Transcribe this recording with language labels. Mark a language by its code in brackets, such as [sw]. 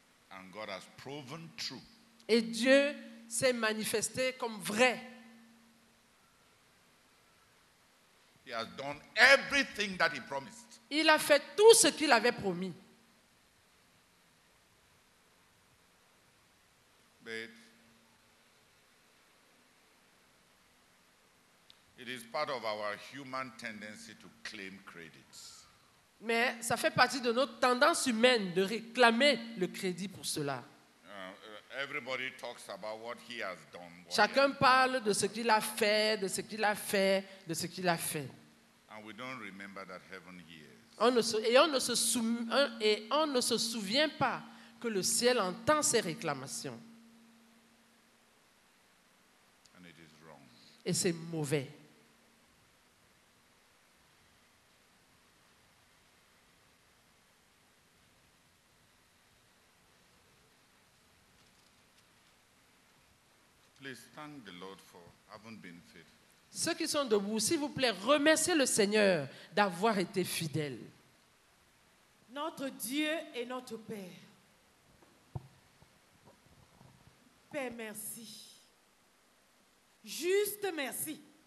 [en] And God has proven true. [fr] Et Dieu s'est manifesté comme vrai. [en] He has done everything that he promised. [fr] Il a fait tout ce qu'il avait promis. [en] But it is part of our human tendency to claim credits. [fr] Mais ça fait partie de notre tendance humaine de réclamer le crédit pour cela. [en] Everybody talks about what he has done. [fr] Chacun parle de ce qu'il a fait, de ce qu'il a fait, de ce qu'il a fait. [en] And we don't remember that heaven hears. [fr] On ne se souvient pas que le ciel entend ces réclamations. Et c'est mauvais. [en] Please thank the Lord for having been faithful. [fr] Ceux qui sont debout, s'il vous plaît, remerciez le Seigneur d'avoir été fidèle. Notre Dieu et notre Père. Père, merci. Juste merci.